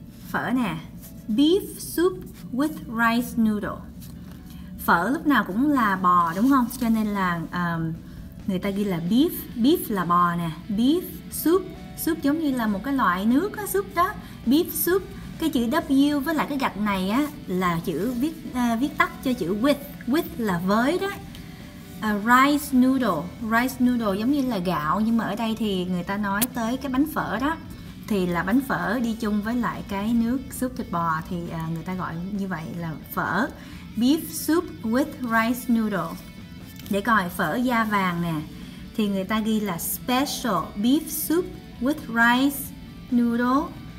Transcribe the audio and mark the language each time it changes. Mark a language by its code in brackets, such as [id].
[vi] Phở nè, [en] beef soup with rice noodle. [vi] Phở lúc nào cũng là bò đúng không? Cho nên là người ta ghi là beef. Beef là bò nè. Beef soup. Soup giống như là một cái loại nước á, soup đó. Beef soup. Cái chữ W với lại cái gạch này á, là chữ viết viết tắt cho chữ with. With là với đó. [en] Rice noodle. [vi] Rice noodle giống như là gạo. Nhưng mà ở đây thì người ta nói tới cái bánh phở đó. Thì là bánh phở đi chung với lại cái nước súp thịt bò. Thì người ta gọi như vậy là phở. [en] Beef soup with rice noodle. [vi] Để coi phở Da Vàng nè. Thì người ta ghi là [en] special beef soup with rice noodle.